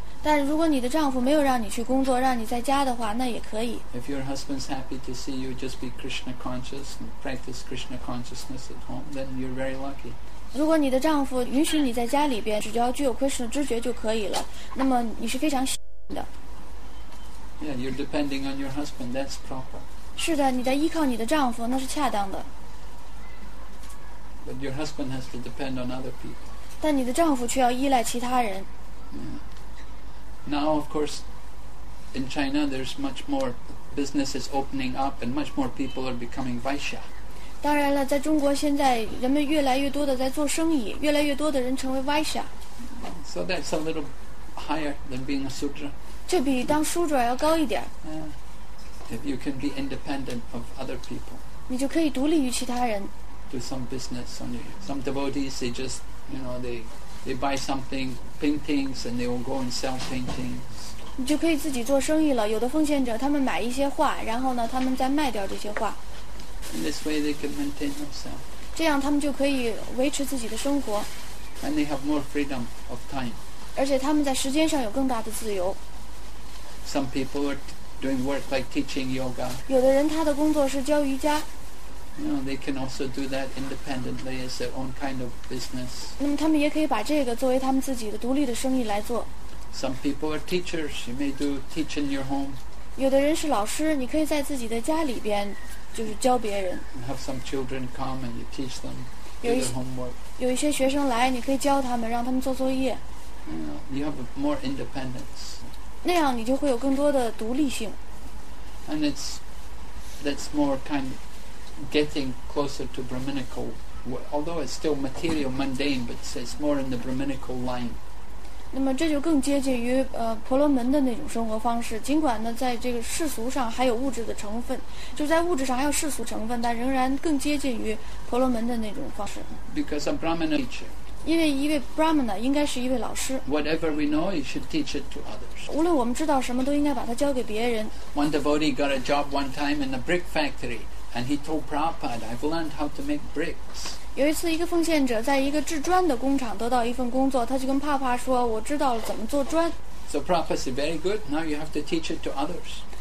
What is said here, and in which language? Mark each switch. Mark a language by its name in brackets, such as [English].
[Chinese] 但如果你的丈夫没有让你去工作，让你在家的话，那也可以。 [English] If your husband's happy to see you, just be Krishna conscious and practice Krishna consciousness at home, then you're very lucky. [Chinese] 如果你的丈夫允许你在家里边只要具有 Krishna 知觉就可以了，那么你是非常幸运的。 [English] Yeah, you're depending on your husband, that's proper. [Chinese] 是的，你在依靠你的丈夫，那是恰当的。 [English] But your husband has to depend on other people. [Chinese] 但你的丈夫却要依赖其他人。 [English] Yeah. Now, of course, in China, there's much more businesses opening up and much more people are becoming Vaishya. [Chinese] 当然了，在中国现在人们越来越多的在做生意，越来越多的人成为 Vaishya。 [English] So that's a little higher than being a sutra. [Chinese] 这比当 sutra 要高一点。 [English] If you can be independent of other people. [Chinese] 你就可以独立于其他人。 [English] Do some business on you. Some devotees, they just, you know, they buy something, paintings, and they will go and sell paintings. [Chinese] 你就可以自己做生意了。有的奉献者他们买一些画，然后呢，他们再卖掉这些画。 [English] In this way, they can maintain themselves. [Chinese] 这样他们就可以维持自己的生活。 [English] And they have more freedom of time. [Chinese] 而且他们在时间上有更大的自由。 [English] Some people are doing work like teaching yoga. [Chinese] 有的人他的工作是教瑜伽。 [English] You know, they can also do that independently as their own kind of business. [Chinese] 那么他们也可以把这个作为他们自己的独立的生意来做。 [English] Some people are teachers. You may do teach in your home. [Chinese] 有的人是老师，你可以在自己的家里边。就是教别人。 [English] Have some children come and you teach them their homework. [Chinese] 有一些学生来，你可以教他们，让他们做作业。 [English] You have more independence. [Chinese] 那样你就会有更多的独立性。 [English] And that's more kind of getting closer to Brahminical, although it's still material mundane, but it's more in the Brahminical line. [Chinese] 那么这就更接近于婆罗门的那种生活方式，尽管呢在这个世俗上还有物质的成分，就在物质上还有世俗成分，但仍然更接近于婆罗门的那种方式。 [English] Because a Brahmana teacher. [Chinese] 因为一位 Brahmana 应该是一位老师。 [English] Whatever we know, you should teach it to others. [Chinese] 无论我们知道什么，都应该把它教给别人。 [English] One devotee got a job one time in a brick factory, and he told Prabhupada, "I've learned how to make bricks." [Chinese] 有一次，一个奉献者在一个制砖的工厂得到一份工作，他就跟帕帕说：“我知道了怎么做砖。” [English] So Prabhupada said, "Very good. Now you have to teach it to others."